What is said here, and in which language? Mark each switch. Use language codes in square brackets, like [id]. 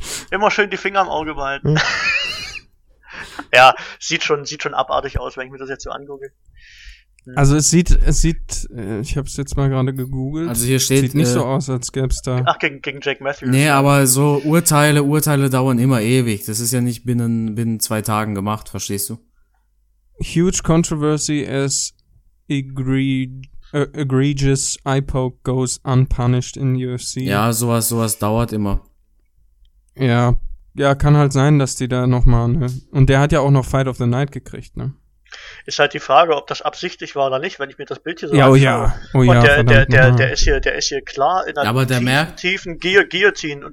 [de] Immer schön die Finger im Auge behalten. Ja, sieht schon abartig aus, wenn ich mir das jetzt so angucke. Also es sieht, ich habe es jetzt mal gerade gegoogelt. Also hier steht, sieht nicht so aus, als gäbe es da. Ach, gegen Jack Matthews. Nee, aber so Urteile dauern immer ewig. Das ist ja nicht binnen 2 Tagen gemacht, verstehst du? [en] Huge controversy as egregious eye poke goes unpunished in UFC. [de] Ja, sowas dauert immer. Ja, kann halt sein, dass die da nochmal, ne? Und der hat ja auch noch Fight of the Night gekriegt, ne? Ist halt die Frage, ob das absichtlich war oder nicht, wenn ich mir das Bild hier so anschaue. Oh ja, oh ja. Und der ist hier klar in einer tiefen Guillotine.